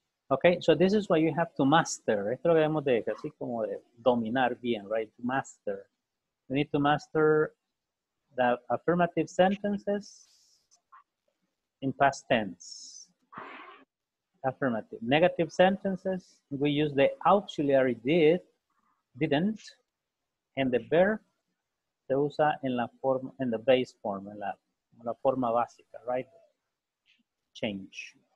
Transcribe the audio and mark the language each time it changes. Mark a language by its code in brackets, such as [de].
[en] Okay, so this is what you have to master. [es] Esto lo vemos de casi como de dominar bien, right? [en] To master. You need to master the affirmative sentences in past tense. Affirmative. Negative sentences, we use the auxiliary didn't, and the verb [es] se usa en la forma, en the base form, en la forma básica, [en] right? Change.